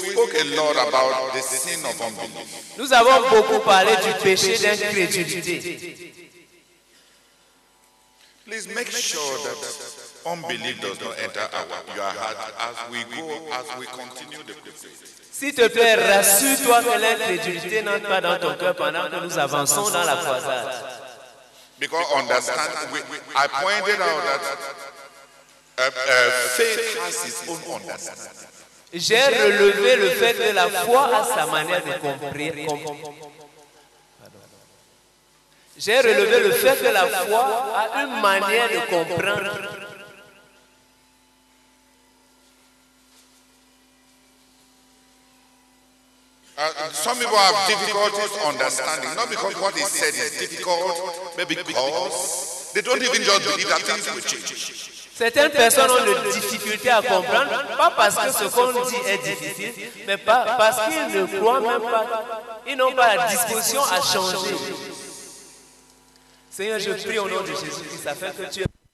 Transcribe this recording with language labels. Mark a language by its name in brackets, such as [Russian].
[English] we spoke a lot about the sin of unbelief. [French] Nous avons beaucoup parlé du péché d'incrédulité. [English] Please make sure that unbelief does not enter your heart as we go, as we continue the crusade. [French] S'il te plaît, rassure-toi que l'incrédulité n'entre pas dans ton cœur pendant que nous avançons dans la croisade. [English] Because I pointed out that faith has its own understanding. [French] J'ai relevé le fait que la foi a sa manière de comprendre. J'ai relevé le fait que la foi a une manière de comprendre. [English] Some people have difficulties understanding, not because what is said is difficult, but because they don't even just believe that things will change. [French] Certaines personnes ont des difficultés à comprendre, pas parce que ce qu'on dit est difficile, mais pas parce qu'ils ne croient même pas, ils n'ont pas la disposition à changer. Seigneur, je prie au nom de Jésus-Christ, afin que tu aies.